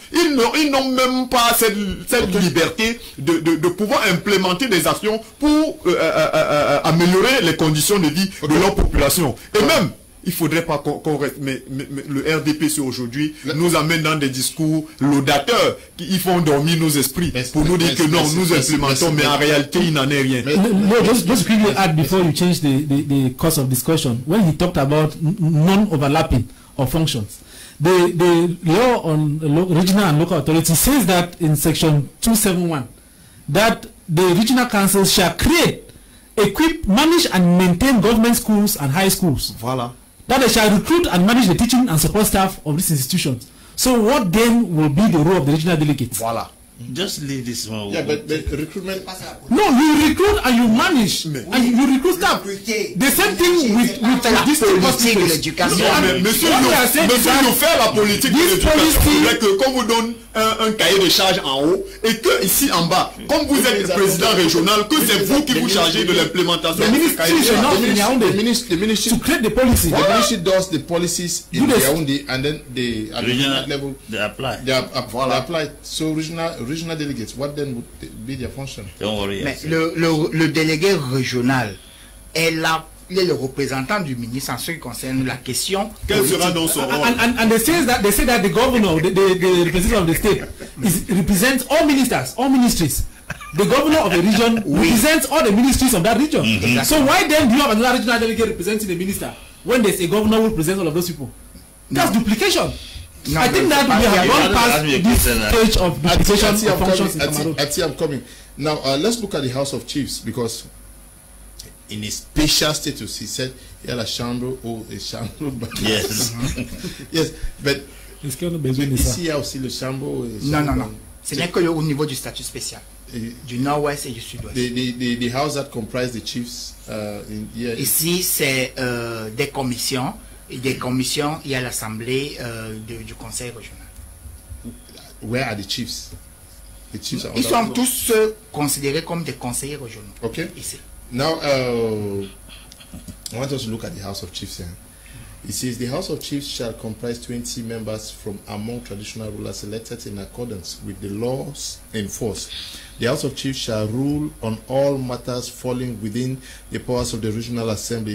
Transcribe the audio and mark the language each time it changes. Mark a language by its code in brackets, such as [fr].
[fr] Ils n'ont même pas cette liberté de pouvoir implémenter des actions pour améliorer les conditions de vie de leur population. Et même, il faudrait pas qu'on reste. Mais le RDP, c'est aujourd'hui, nous amène dans des discours laudateurs qui ils font dormir nos esprits pour nous dire que non, nous implémentons, mais en réalité, il n'en est rien. [en] Just quickly add before you change the course of discussion. When he talked about non-overlapping of functions, the law on regional and local authority says that in section 271, that the regional councils shall create, equip, manage and maintain government schools and high schools. [fr] Voilà. [en] That they shall recruit and manage the teaching and support staff of these institutions. So what then will be the role of the regional delegates? [fr] Voilà. [en] Just leave this one. Yeah, but recruitment. No, you recruit and you manage. And you recruit staff. The same thing with this policy. L'éducation. [fr] Non, mais monsieur, nous faire la politique de l'éducation. C'est que qu'on vous donne un cahier de charge en haut et que ici en bas, comme vous êtes le président régional, que c'est vous qui vous chargez de l'implémentation. Le ministre [en] to create the policy. The ministry does the policies in Yaoundé and then the at regional level they apply. They apply. So regional delegates, what then would be their function? Don't worry. [fr] Mais le délégué régional est là. Il est le représentant du ministre en ce qui concerne la question. Quel sera donc son rôle? [en] And they say that the governor, the representative of the state, represents all ministers, all ministries. The governor of a region represents all the ministries of that region. Mm-hmm. Exactly. So why then do you have another regional delegate representing the minister when there's a governor who represents all of those people? That's duplication. No, I think that we have gone past this stage of duplication of functions. I'm coming. Now let's look at the House of Chiefs, because in his special status, he said, "Yeah, [fr] la chambre, oh, la chambre." [en] Yes, yes, but [fr] est-ce qu'on a besoin de ça? Ici, il y a aussi le chambre. Non. C'est n'est que au niveau du statut spécial du Nord-Ouest et du Sud-Ouest. [en] The house that comprises the chiefs. [fr] Ici, c'est des commissions. Des commissions. Il y a l'assemblée du conseil régional. [en] Where are the chiefs? The chiefs are. [fr] Ils sont tous considérés comme des conseillers régionaux. Ok. Ici. [en] Now, I want us to look at the House of Chiefs here. It says, the House of Chiefs shall comprise 20 members from among traditional rulers elected in accordance with the laws in force. The House of Chiefs shall rule on all matters falling within the powers of the Regional Assembly.